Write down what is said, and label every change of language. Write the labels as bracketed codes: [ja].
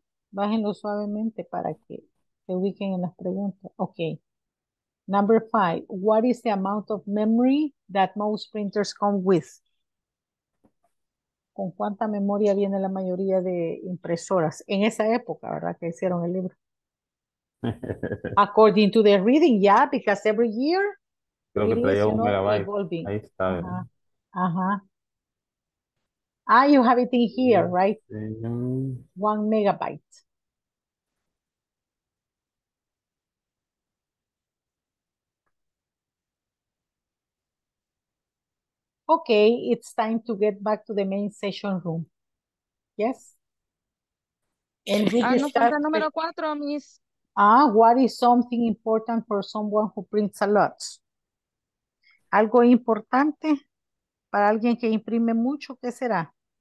[es] Bájenlo suavemente para que se ubiquen en las preguntas. [en] Okay. Number five. What is the amount of memory that most printers come with? [es] ¿Con cuánta memoria viene la mayoría de impresoras? En esa época, ¿verdad? Que hicieron el libro. [en] According to the reading, yeah, because every year. [es] Creo que traía un megabyte. Evolving. Ahí está. [en] You have it in here, yeah. Right? Mm-hmm. 1 megabyte. Okay, it's time to get back to the main session room. Yes? [es] Enrique, no falta número cuatro, Miss. [en] What is something important for someone who prints a lot? [es] Algo importante para alguien que imprime mucho, ¿qué será?